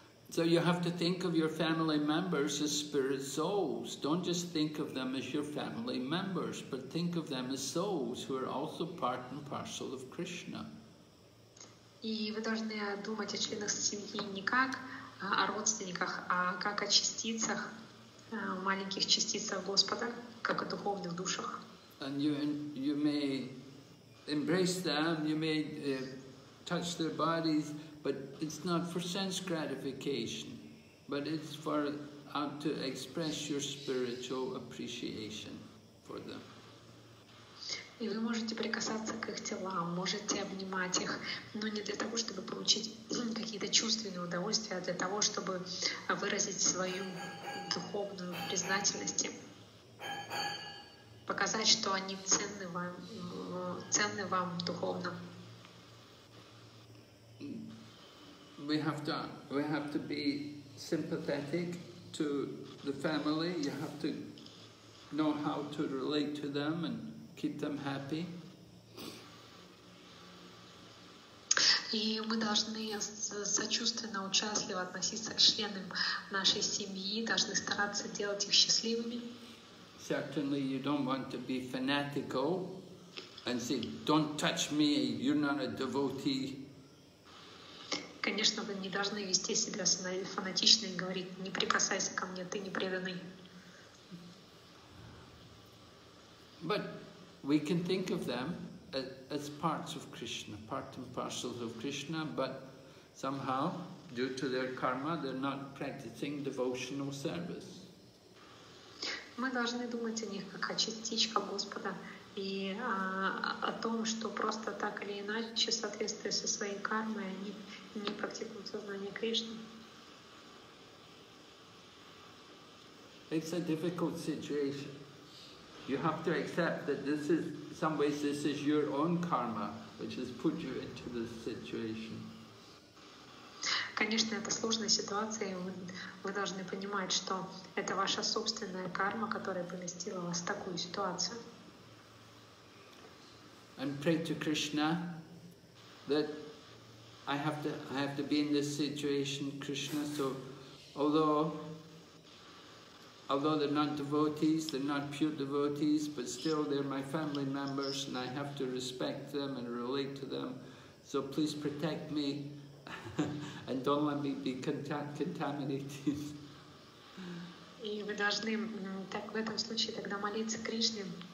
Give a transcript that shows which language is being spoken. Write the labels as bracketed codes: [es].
[en] So you have to think of your family members as spirit souls. Don't just think of them as your family members, but think of them as souls who are also part and parcel of Krishna. [ru] И вы должны думать о членах семьи не как о родственниках, а как о частицах, маленьких частицах Господа, как о духовных душах. [en] And you may embrace them, you may touch their bodies, but it's not for sense gratification, but it's for to express your spiritual appreciation for them. [ru] И вы можете прикасаться к их телам, можете обнимать их, но не для того, чтобы получить какие-то чувственные удовольствия, а для того, чтобы выразить свою духовную признательность, показать, что они ценны вам духовно. [en] We have to be sympathetic to the family. You have to know how to relate to them and keep them happy. [ru] И мы должны сочувственно, участливо относиться к членам нашей семьи, должны стараться делать их счастливыми. [en] Certainly you don't want to be fanatical and say, don't touch me, you're not a devotee. [ru] Конечно, вы не должны вести себя фанатично и говорить, не прикасайся ко мне, ты не преданный. [en] But we can think of them as parts of Krishna, part and parcels of Krishna, but somehow, due to their karma, they're not practicing devotional service. [ru] Мы должны думать о них как о частичках Господа и о том, что просто так или иначе, в соответствии со своей кармой, они не практикуют сознание Кришны. [en] It's a difficult situation. You have to accept that this is, in some ways, this is your own karma, which has put you into this situation. [ru] Конечно, это сложная ситуация, и вы должны понимать, что это ваша собственная карма, которая поместила вас в такую ситуацию. [en] And pray to Krishna that I have to be in this situation, Krishna. So, although they're not devotees, they're not pure devotees, but still they're my family members and I have to respect them and relate to them. So please protect me and don't let me be contaminated. [ru] И вы должны так в этом случае тогда молиться Кришне.